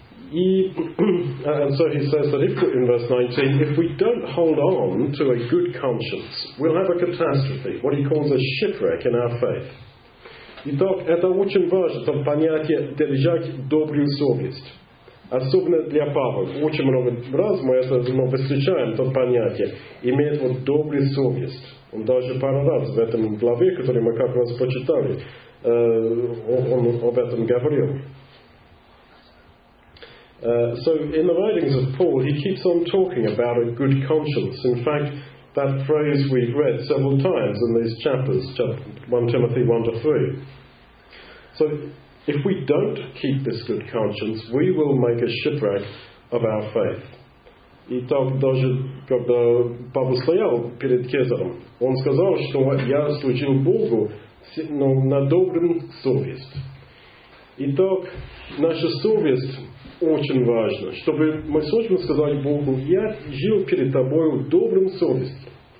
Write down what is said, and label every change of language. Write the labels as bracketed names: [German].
[English] И, and so he says that if we, in verse 19, if we don't hold on to a good conscience, we'll have a catastrophe, what he calls a shipwreck in our faith. [Russian] Итак, это очень важно, это понятие держать добрую совесть. Особенно для Павла. Очень много раз мы это снова встречаем, то понятие. Имеет вот добрую совесть. Он даже пару раз в этом главе, который мы как раз почитали, он об этом говорил. [English] So in the writings of Paul, he keeps on talking about a good conscience. In fact, that phrase we've read several times in these chapters, 1 Timothy 1-3. So if we don't keep this good conscience, we will make a shipwreck of our faith. [Russian] Итак, даже когда Павел стоял перед Кесаром, он сказал, что я служил Богу, но на добрую совесть. Итак, наша совесть очень важна, чтобы мы сможем сказать Богу, я жил перед тобою добрым совестью.